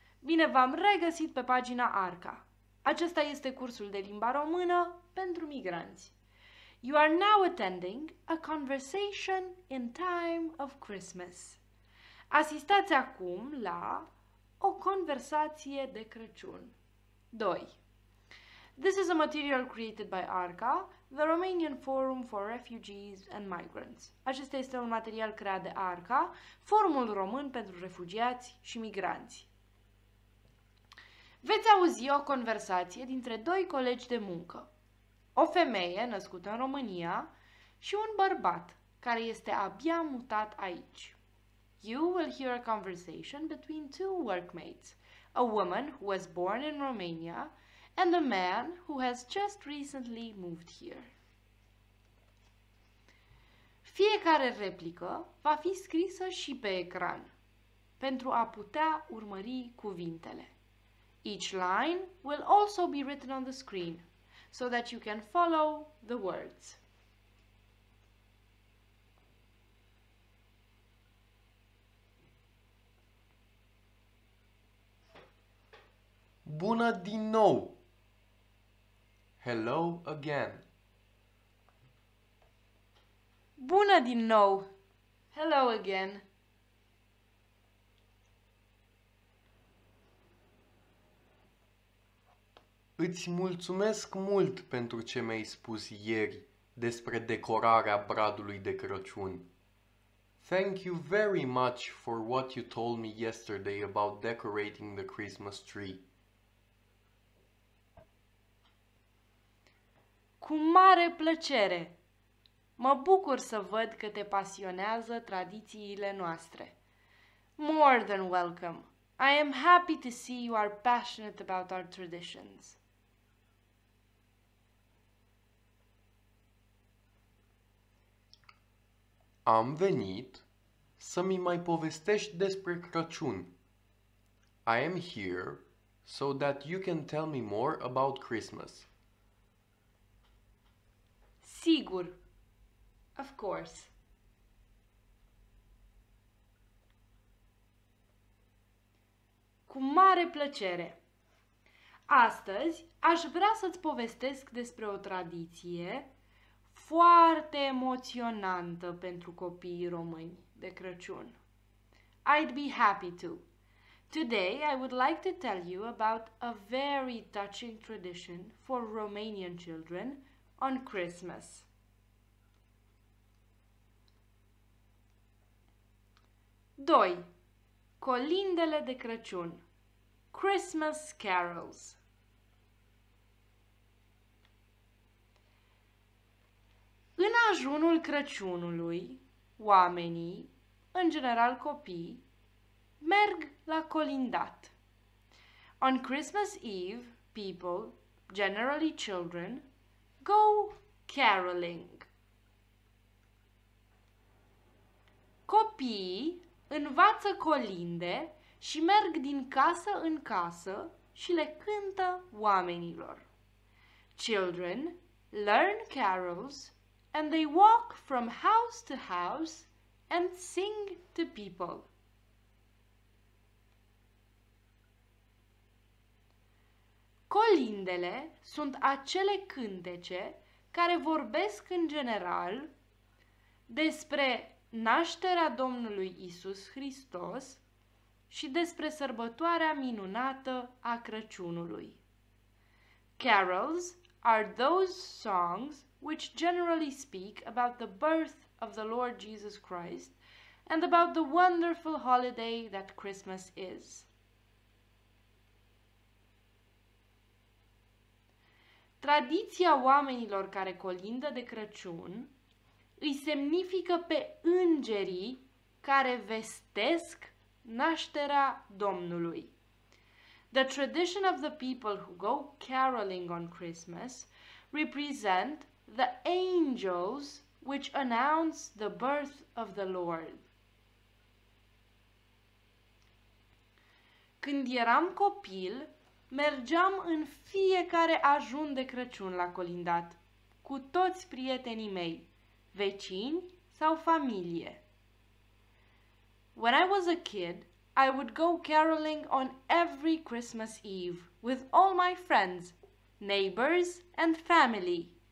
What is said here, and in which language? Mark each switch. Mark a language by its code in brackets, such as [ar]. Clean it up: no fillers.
[ro] Bine v-am regăsit pe pagina Arca. Acesta este cursul de limba română pentru migranți. [en] You are now attending a conversation in time of Christmas. [ro] Asistați acum la o conversație de Crăciun. 2. [en] This is a material created by ARCA, the Romanian Forum for Refugees and Migrants. [ro] Acesta este un material creat de ARCA, Forumul Român pentru Refugiați și Migranți. Veți auzi o conversație dintre doi colegi de muncă, o femeie născută în România și un bărbat care este abia mutat aici. [en] You will hear a conversation between two workmates, a woman who was born in Romania and a man who has just recently moved here. [ro] Fiecare replică va fi scrisă și pe ecran, pentru a putea urmări cuvintele. [en] Each line will also be written on the screen, so that you can follow the words. [ro] Bună din nou! [en] Hello again. [ro] Bună din nou. [en] Hello again. [ro] Îți mulțumesc mult pentru ce mi-ai spus ieri despre decorarea bradului de Crăciun. [en] Thank you very much for what you told me yesterday about decorating the Christmas tree. [ro] Cu mare plăcere! Mă bucur să văd că te pasionează tradițiile noastre. [en] More than welcome! I am happy to see you are passionate about our traditions. [ro] Am venit să-mi mai povestești despre Crăciun. [en] I am here so that you can tell me more about Christmas. [ro] Sigur. [en] Of course. [ro] Cu mare plăcere. Astăzi aș vrea să-ți povestesc despre o tradiție foarte emoționantă pentru copiii români de Crăciun. [en] I'd be happy to. Today I would like to tell you about a very touching tradition for Romanian children on Christmas. [ro] Doi. Colindele de Crăciun. [en] Christmas carols. [ro] În ajunul Crăciunului, oamenii, în general copii, merg la colindat. [en] On Christmas Eve, people, generally children, go caroling. [ro] Copiii învață colinde și merg din casă în casă și le cântă oamenilor. [en] Children learn carols and they walk from house to house and sing to people. [ro] Colindele sunt acele cântece care vorbesc în general despre nașterea Domnului Isus Hristos și despre sărbătoarea minunată a Crăciunului. [en] Carols are those songs which generally speak about the birth of the Lord Jesus Christ and about the wonderful holiday that Christmas is. [ro] Tradiția oamenilor care colindă de Crăciun îi semnifică pe îngerii care vestesc nașterea Domnului. [en] The tradition of the people who go caroling on Christmas represent the angels which announce the birth of the Lord. [ro] Când eram copil, mergeam în fiecare ajun de Crăciun la colindat, cu toți prietenii mei. vecini sau familie. [en] When I was a kid, I would go caroling on every Christmas Eve with all my friends, neighbors and family.